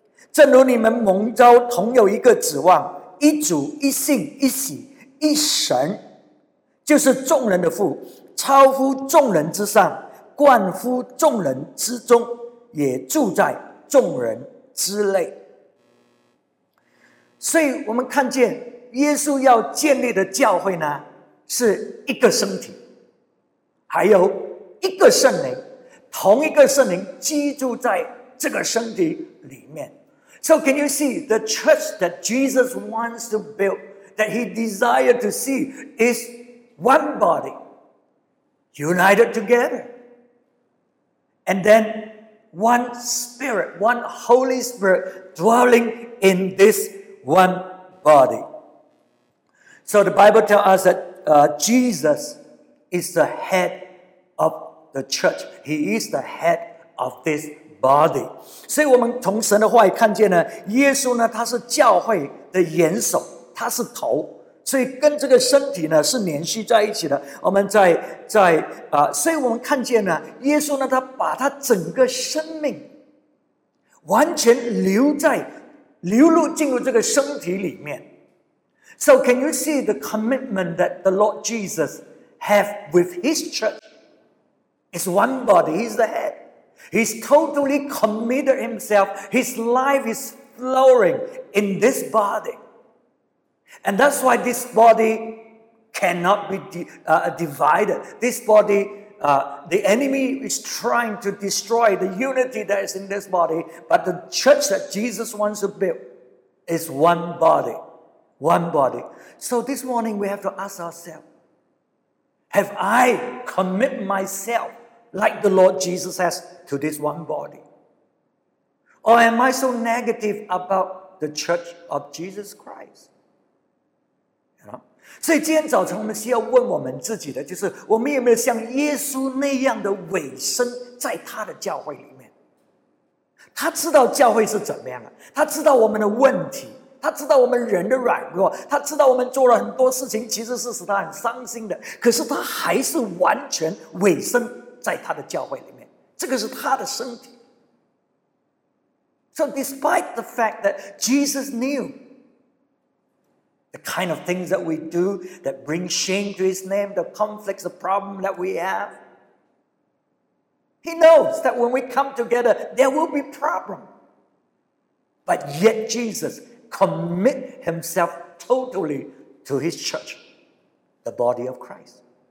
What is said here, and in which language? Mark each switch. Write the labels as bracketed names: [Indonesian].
[Chinese] 正如你们蒙召同有一个指望，一主，一信，一喜，一神，就是众人的父，超乎众人之上，冠乎众人之中，也住在众人之内。所以我们看见耶稣要建立的教会呢，是一个身体，还有一个圣灵，同一个圣灵居住在这个身体里面。 [English] So can you see the church that Jesus wants to build, that he desired to see, is one body united together, and then one spirit, one Holy Spirit dwelling in this one body. So the Bible tells us that Jesus is the head of the church. He is the head of this body. [Chinese] 所以我们从神的话也看见呢，耶稣呢，他是教会的元首，他是头，所以跟这个身体呢是联系在一起的。我们所以我们看见呢，耶稣呢，他把他整个生命完全流入进入这个身体里面。 [English] So can you see the commitment that the Lord Jesus have with his church? It's one body, he's the head. He's totally committed himself. His life is flowing in this body. And that's why this body cannot be divided. This body, the enemy is trying to destroy the unity that is in this body. But the church that Jesus wants to build is one body. One body. So this morning we have to ask ourselves, have I commit myself like the Lord Jesus has to this one body? Or am I so negative about the church of Jesus Christ? You know? [Chinese] 所以今天早晨我们需要问我们自己的，就是我们有没有像耶稣那样的委身在他的教会里面。他知道教会是怎么样的，他知道我们的问题，他知道我们人的软弱，他知道我们做了很多事情其实是使他很伤心的，可是他还是完全委身在他的教会里面，这个是他的身体。 [English] So despite the fact that Jesus knew the kind of things that we do that bring shame to his name, the conflicts, the problem that we have, he knows that when we come together there will be problem, but yet JesusCommit himself totally to his church, the body of Christ.